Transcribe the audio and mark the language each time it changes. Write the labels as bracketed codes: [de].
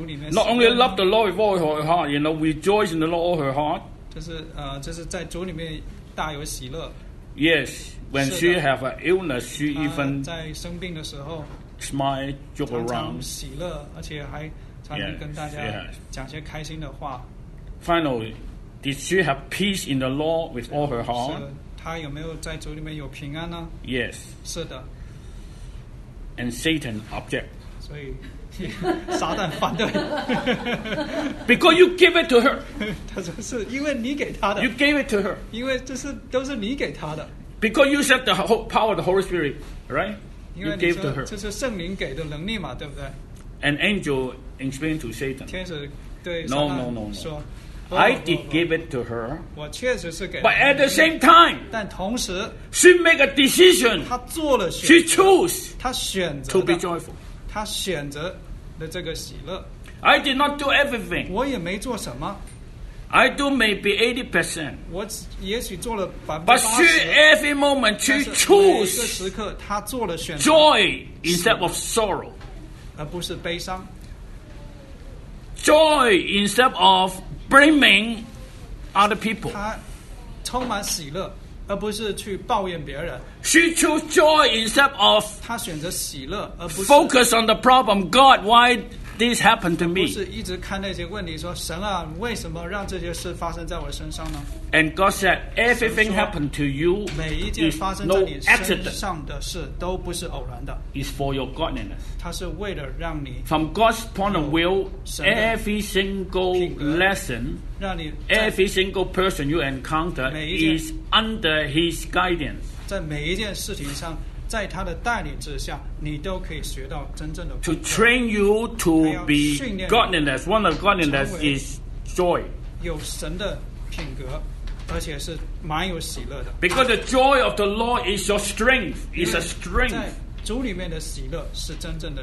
[en] Not only love the Lord with all her heart, you know, rejoice in the Lord with all her heart. [zh] 就是在主里面大有喜乐。 [en] Yes, when she have an illness, she even [zh] 在生病的时候 [en] smile, joke around, [zh] 常常喜乐，而且还常常跟大家讲些开心的话。 [en] Finally, did she have peace in the Lord with all her heart? [zh] 她有没有在主里面有平安呢？ [en] Yes. [zh] 是的。 [en] And Satan object. [zh] 所以撒旦反对。 [en] Because you give it to her. [zh] 他说是因为你给他的。 [en] You gave it to her. [zh] 因为这是都是你给他的。 [en] Because you said the whole power of the Holy Spirit, right? You gave to her. [zh] 这是圣灵给的能力嘛，对不对？ [en] An angel explained to Satan. [zh] 天使对撒旦 [en] no. [zh] 说。 [en] I did give it to her. [zh] 我确实是给。 [en] But at the same time, [zh] 但同时 [en] she make a decision. [zh] 她做了选。 [en] She choose. [zh] 她选择。 [en] To be joyful. [zh] 她选择了这个喜乐。 [en] I did not do everything. [zh] 我也没做什么。 [en] I do maybe 80%. [zh] 我也许做了80%。 [en] But she every moment she choose. [zh] 每个时刻她做了选择。 [en] Joy instead of sorrow. [zh] 而不是悲伤。 [en] Joy instead of blaming other people. [zh] 她充满喜乐，而不是去抱怨别人。 [en] She chose joy instead of. [zh] 她选择喜乐，而不是 [en] focus on the problem. God, why did this happen to me? [zh] 不是一直看那些问题说神啊为什么让这些事发生在我身上呢？ [en] And God said everything happened to you [zh] 每一件发生在你身上的事都不是偶然的。 [en] It's for your godliness. [zh] 它是为了让你 [en] From God's point of view, every single lesson, every single person you encounter is under His guidance. [zh] 在每一件事情上在他的带领之下你都可以学到真正的功课 [en] to train you to be godliness one of godliness is joy [zh] 有神的品格而且是蛮有喜乐的 [en] because the joy of the Lord is your strength it's a strength [zh] 在主里面的喜乐是真正的